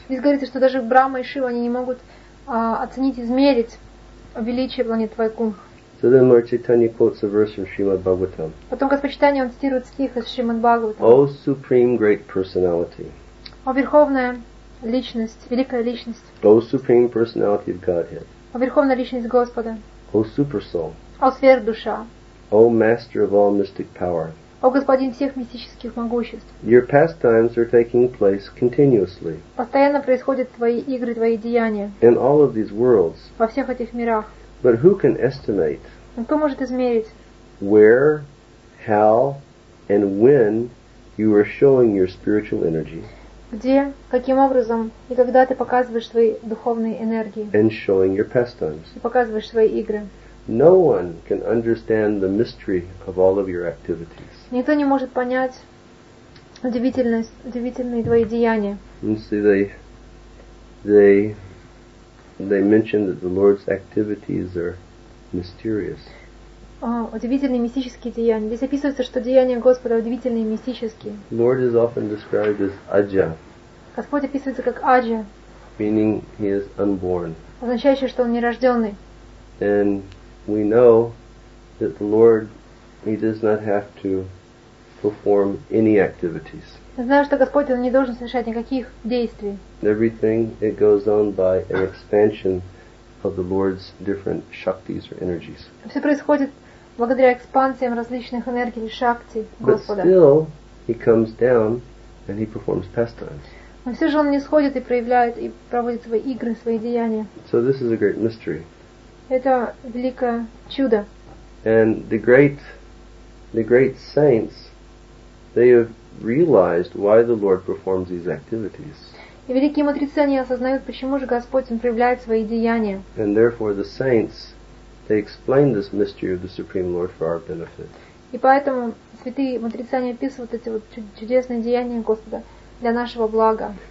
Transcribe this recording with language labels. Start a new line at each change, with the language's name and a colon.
Russian: Здесь говорится, что даже Брама и Шива они не могут оценить, измерить величие планет Вайкунх.
English: So then Lord Chaitanya quotes a verse from Srimad Bhagavatam.
Russian: Потом Господь Чайтанья он цитирует стих из Шримад Бхагаватам.
English: O Supreme Great Personality.
Russian: О Верховная Личность, Великая Личность.
English: O Supreme Personality of Godhead.
Russian: О Верховная Личность Господа.
English: O Super Soul.
Russian: О Сверхдуша.
English: O Master of All Mystic Power.
Russian: О господин всех мистических могуществ.
English: Your pastimes are taking place continuously.
Russian: Постоянно происходят твои игры, твои деяния.
English: In all of these worlds.
Russian: Во всех этих мирах.
English: But who can estimate?
Russian: Кто может измерить?
English: Where, how, and when you are showing your spiritual energy?
Russian: Где, каким образом и когда ты показываешь свои духовные энергии?
English: And showing your pastimes.
Russian: И показываешь свои игры.
English: No one can understand the mystery of all of your activities.
Russian: Никто не может понять удивительные твои деяния.
English: You see, they mention that the Lord's activities are mysterious.
Russian: Удивительные мистические деяния. Здесь описывается, что деяния Господа удивительные и мистические.
English: Lord is often described as Aja.
Russian: Господь описывается как Аджа.
English: Meaning he is unborn.
Russian: Означающее, что он нерожденный.
English: And we know that the Lord, he does not have to perform any activities.
Russian: Я знаю, что Господь, он не должен совершать никаких действий.
English: Everything, it goes on by an expansion of the Lord's different shaktis or energies.
Russian: Все происходит благодаря экспансиям различных энергий или шакти Господа.
English: But still, he comes down and he performs pastimes.
Russian: Но все же он не сходит и проявляет, и проводит свои игры, свои деяния.
English: So this is a great mystery.
Russian: Это великое чудо.
English: And the great saints, they have realized why the Lord performs these activities.
Russian: И великие мудрецы, они осознают, почему же Господь он проявляет свои деяния.
English: And therefore the saints, they explain this mystery of the Supreme Lord for our benefit.
Russian: И поэтому святые мудрецы, они описывают эти вот чудесные деяния Господа для нашего блага.